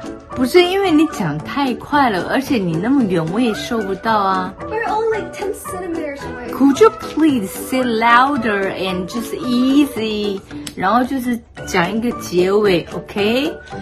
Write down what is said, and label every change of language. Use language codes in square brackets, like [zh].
[zh] 不是因为你讲太快了，而且你那么远我也收不到啊。 [en] We're only 10 centimeters away. Could you please say louder and just easy? [zh] 然后就是讲一个结尾 ，OK？